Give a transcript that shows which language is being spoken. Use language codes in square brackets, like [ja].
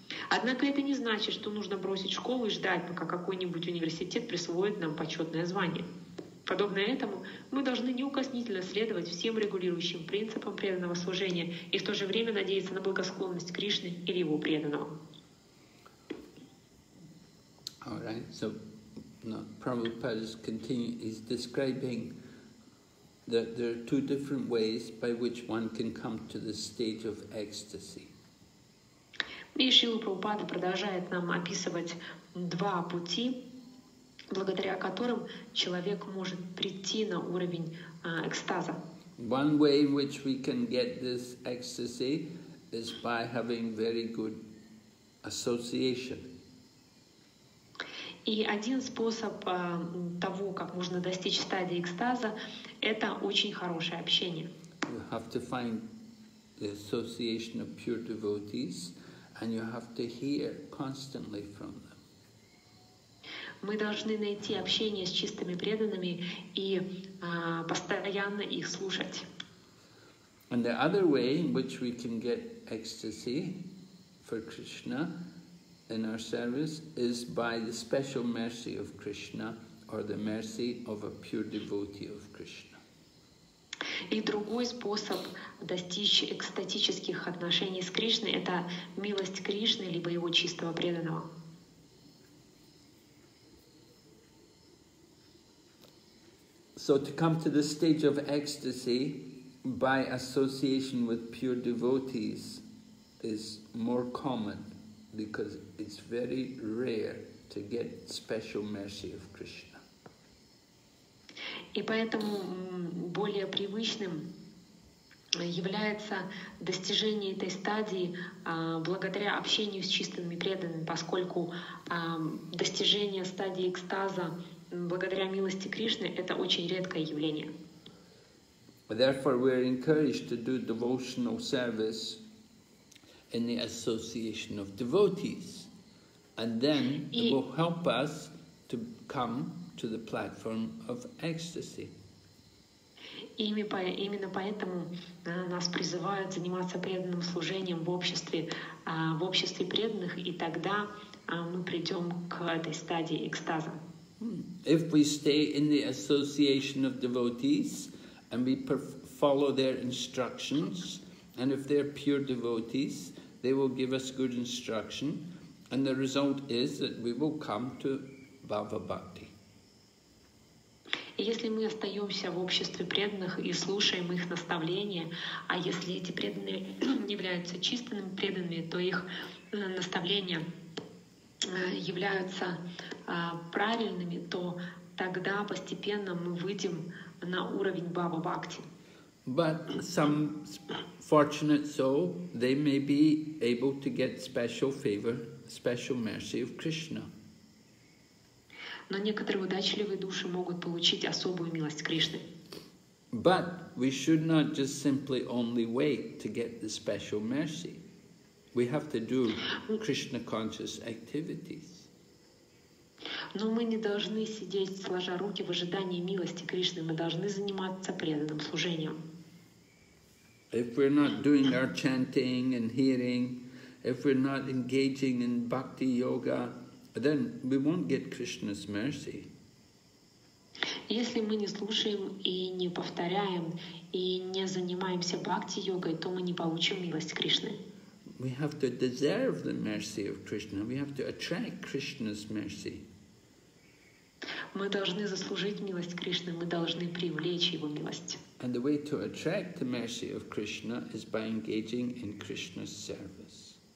[ru] Однако это не значит, что нужно бросить школу и ждать, пока какой-нибудь университет присвоит нам почетное звание. Подобно этому, мы должны неукоснительно следовать всем регулирующим принципам преданного служения и в то же время надеяться на благосклонность Кришны или его преданного. [en] All right, so Prabhupada is continuing, he's describing that there are two different ways by which one can come to the stage of ecstasy. [ru] И Шрила Прабхупада продолжает нам описывать два пути, благодаря которым человек может прийти на уровень экстаза. [en] One way in which we can get this ecstasy is by having very good association. [ru] И один способ того, как можно достичь стадии экстаза, это очень хорошее общение. [en] You have to find the association of pure devotees, and you have to hear constantly from them. [ru] Мы должны найти общение с чистыми преданными и постоянно их слушать. [en] And the other way in which we can get ecstasy for Krishna in our service is by the special mercy of Krishna or the mercy of a pure devotee of Krishna. [ru] И другой способ достичь экстатических отношений с Кришной — это милость Кришны либо его чистого преданного. [en] So to come to the stage of ecstasy by association with pure devotees is more common because it's very rare to get special mercy of Krishna. [ru] И поэтому более привычным является достижение этой стадии благодаря общению с чистыми преданными, поскольку достижение стадии экстаза благодаря милости Кришны — это очень редкое явление. [en] Therefore, we are encouraged to do devotional service in the association of devotees, and then it will help us to come to the platform of ecstasy. [ru] Именно поэтому нас призывают заниматься преданным служением в обществе преданных, и тогда мы придем к этой стадии экстаза. [en] If we stay in the association of devotees and we follow their instructions, and if they're pure devotees, they will give us good instruction, and the result is that we will come to Bhava Bhakti. [ru] Если мы остаемся в обществе преданных и слушаем их наставления, а если эти преданные являются чистыми преданными, то их наставления являются правильными, то тогда постепенно мы выйдем на уровень Баба Бхакти. [en] But some fortunate soul, they may be able to get special favor, special mercy of Krishna. [ru] Но некоторые удачливые души могут получить особую милость Кришны. [en] But we should not just simply only wait to get the special mercy. We have to do Krishna conscious activities. [ru] Но мы не должны сидеть сложа руки в ожидании милости Кришны. Мы должны заниматься преданным служением. [en] If we're not doing our chanting and hearing, if we're not engaging in bhakti yoga, then we won't get Krishna's mercy. [ru] Если мы не слушаем и не повторяем и не занимаемся бхакти йогой, то мы не получим милость Кришны. [en] We have to deserve the mercy of Krishna. We have to attract Krishna's mercy. [ru] Мы должны заслужить милость Кришны. Мы должны привлечь его милость. [en] And the way to attract the mercy of Krishna is by engaging in Krishna's service.